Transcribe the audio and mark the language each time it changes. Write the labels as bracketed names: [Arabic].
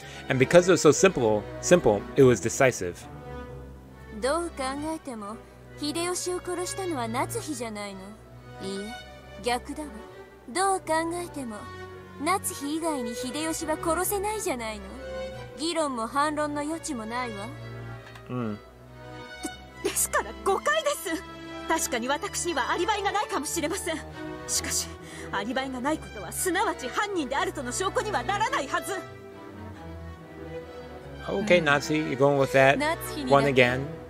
[English] And because it was so simple, it was decisive. [Japanese] どう考えても秀吉を殺したのはナツヒじゃないの。いいえ、逆だわ。どう考えてもナツヒ以外に秀吉は殺せないじゃないの。議論も反論の余地もないわ。うん。ですから誤解です。確かに私にはアリバイがないかもしれません。しかし、アリバイがないことはすなわち犯人であるとの証拠にはならないはず。 [English] Okay, Nazi, you're going with that one again.